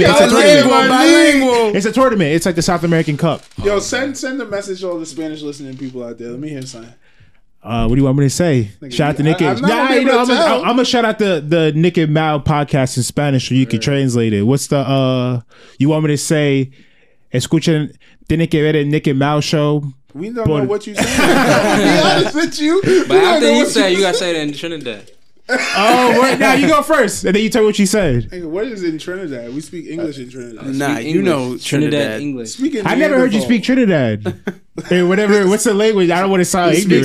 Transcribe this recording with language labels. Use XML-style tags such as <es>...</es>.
<en>It's a tournament. It's like the South American Cup. Yo, send a message to all the Spanish listening people out there. Let me hear something. What do you want me to say? Like, shout out to Nick. I'm gonna shout out the Nick and Mal podcast in Spanish so you can translate it. What's the you want me to say?</en> <es>Escuchen, tiene que ver el Nick and Mal show.</es> <en>We don't know what you're saying. I'll be honest with you. But after he said, you gotta say it in Trinidad. Oh, what? Now you go first, and then you tell me what you said. Hey, what is in Trinidad? We speak English in Trinidad. You know Trinidad English. I never heard you speak Trinidad. Hey, whatever. What's the language? I don't want to sound ignorant.</en>